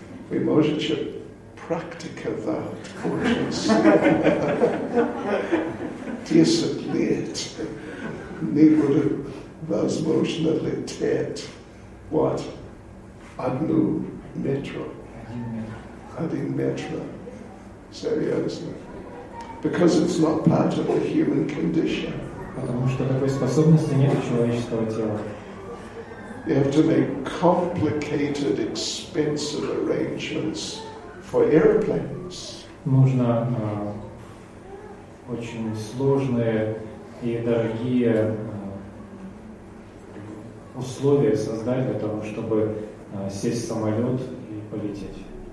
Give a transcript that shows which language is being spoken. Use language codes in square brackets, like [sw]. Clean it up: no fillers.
[ru] Вы можете практиковать очень сильно. 10 лет не будет возможно лететь, вот, один метр, серьезно. [en] Because it's not part of the human condition. [ru] Потому что такой способности нет у человеческого тела. [en] You have to make complicated, expensive arrangements for airplanes. [ru] Нужно очень сложные и дорогие условия создать для того, чтобы сесть в самолет и полететь.